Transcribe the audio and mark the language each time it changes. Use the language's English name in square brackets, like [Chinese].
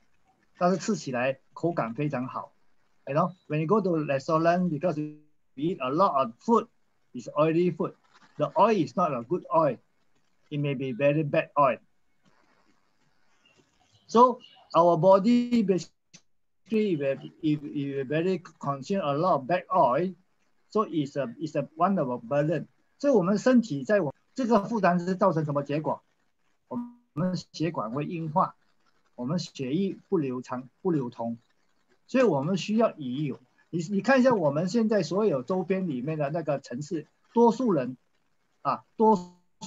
[Chinese] 外面的那个餐厅里面用的油，食用油，基本上很多都是比较属于饱和脂肪酸的，意思说它不是好油，但是吃起来口感非常好. [English] You know, when you go to restaurant, because you eat a lot of food, it's oily food. The oil is not a good oil. It may be very bad oil. So our body basically if very consume a lot of bad oil, so it's a one of a burden. [Chinese] So 我们身体在我这个负担是造成什么结果？我们血管会硬化，我们血液不流通，所以我们需要鱼油。你看一下我们现在所有周边里面的那个城市，多数人啊，多。